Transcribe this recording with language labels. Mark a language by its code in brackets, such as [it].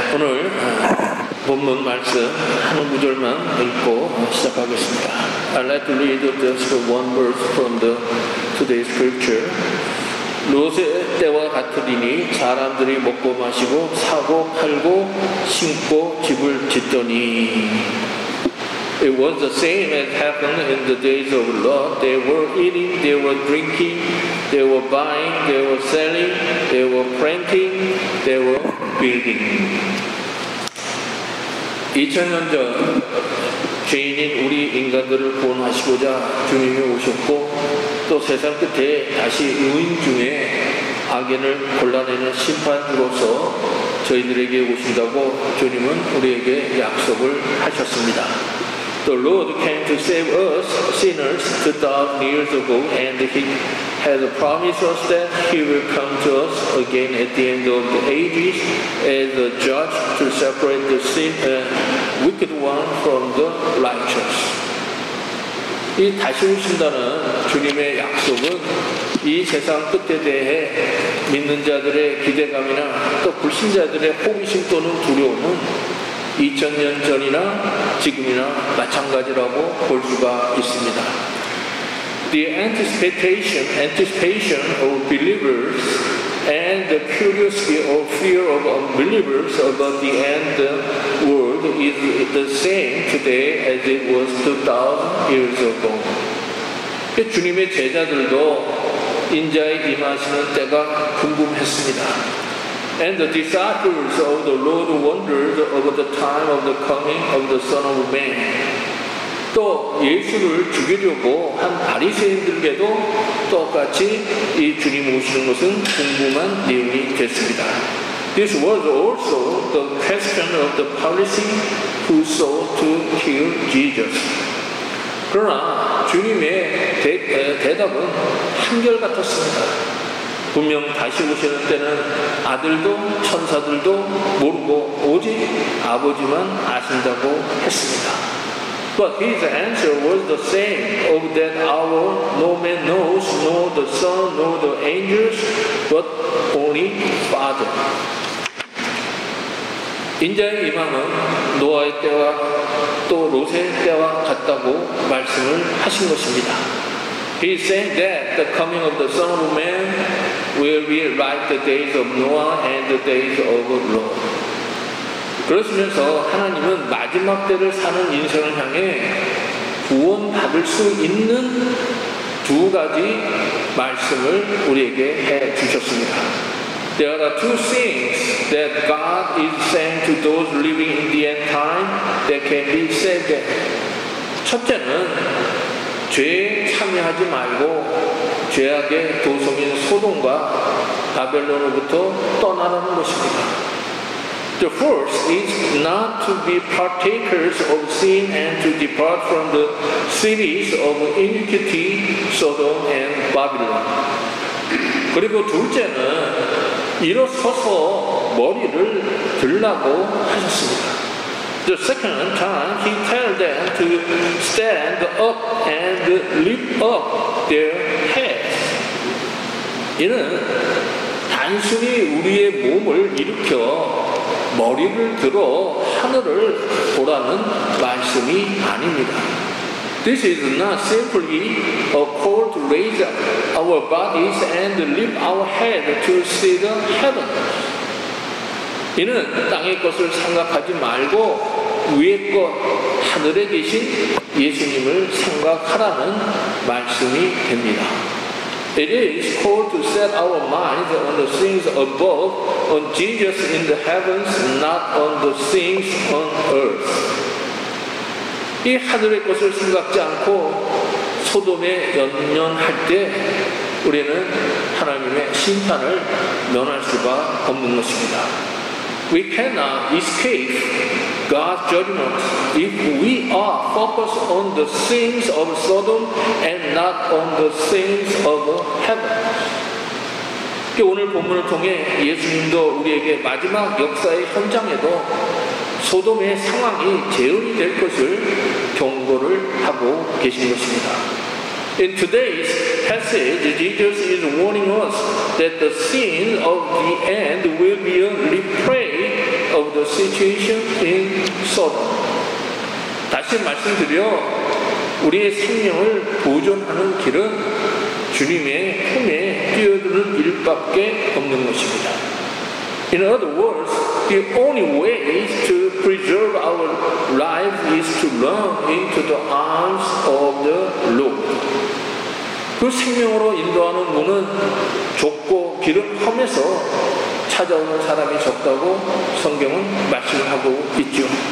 [ko] 오늘 본문 말씀 한 구절만 읽고 시작하겠습니다. [en] I'd like to read just one verse from the today's scripture. [ko] 롯의 때와 같으리니 사람들이 먹고 마시고 사고 팔고 심고 집을 짓더니. [en] It was the same as happened in the days of Lot. They were eating, they were drinking, they were buying, they were selling, they were planting, they were building. [ko] 2000년 전 죄인인 우리 인간들을 구원하시고자 주님이 오셨고 또 세상 끝에 다시 의인 중에 악인을 골라내는 심판으로서 저희들에게 오신다고 주님은 우리에게 약속을 하셨습니다. [en] The Lord came to save us sinners 2000 years ago and He has promised us that He will come to us again at the end of the ages as a judge to separate the sin, wicked one from the righteous. [ko] 이 다시 오신다는 주님의 약속은 이 세상 끝에 대해 믿는 자들의 기대감이나 또 불신자들의 호기심 또는 두려움은 2000년 전이나 지금이나 마찬가지라고 볼 수가 있습니다. [en] The anticipation of believers and the curiosity or fear of unbelievers about the end world is the same today as it was 2000 years ago. [ko] 주님의 제자들도 인자의 임하시는 때가 궁금했습니다. [en] And the disciples of the Lord wondered about the time of the coming of the Son of Man. [ko] 또 예수를 죽이려고 한 바리새인들에게도 똑같이 이 주님 오시는 것은 궁금한 내용이 됐습니다. [en] This was also the question of the Pharisee who sought to kill Jesus. [ko] 그러나 주님의 대답은 한결같았습니다. 분명 다시 오시는 때는 아들도 천사들도 모르고 오직 아버지만 아신다고 했습니다. [en] But his answer was the same of that hour. No man knows, nor the Son, nor the angels, but only Father. [ko] 인자의 임함은 노아의 때와 또 롯의 때와 같다고 말씀을 하신 것입니다. [en] He is saying that the coming of the Son of Man will be like the days of Noah and the days of Lot. [ko] 그러시면서 하나님은 마지막 때를 사는 인생을 향해 구원받을 수 있는 두 가지 말씀을 우리에게 해주셨습니다. [en] There are two things that God is saying to those living in the end time that can be saved. [ko] 첫째는 죄에 참여하지 말고 죄악의 도성인 소돔과 바벨론으로부터 떠나라는 것입니다. [en] The first is not to be partakers of sin and to depart from the cities of iniquity, Sodom and Babylon. [ko] 그리고 둘째는 일어서서 머리를 들라고 하셨습니다. [en] The second time he tells them to stand up and lift up their heads. [ko] 이는 단순히 우리의 몸을 일으켜 머리를 들어 하늘을 보라는 말씀이 아닙니다. [en] This is not simply a call to raise our bodies and lift our head to see the heaven. [ko] 이는 땅의 것을 생각하지 말고 위의 것, 하늘에 계신 예수님을 생각하라는 말씀이 됩니다. [en] It is called to set our minds on the things above, on Jesus in the heavens, not on the things on earth. [ko] 이 하늘의 것을 생각지 않고 소돔에 연연할 때 우리는 하나님의 심판을 면할 수가 없는 것입니다. [en] We cannot escape God's judgment if we are focused on the things of Sodom and not on the things of heaven. [ko] 오늘 본문을 통해 예수님도 우리에게 마지막 역사의 현장에도 소돔의 상황이 재현이 될 것을 경고를 하고 계신 것입니다. [en] In today's passage, Jesus is warning us that the sin of the end will be a reprieve of the situation in Sodom. [ko] 다시 말씀드려 우리의 생명을 보존하는 길은 주님의 품에 뛰어드는 일밖에 없는 것입니다. [en] In other words, the only way to preserve our life is to run into the arms of the Lord. [ko] 그 생명으로 인도하는 문은 좁고 길은 험해서 찾아오는 사람이 적다고 성경은 말씀하고 있죠.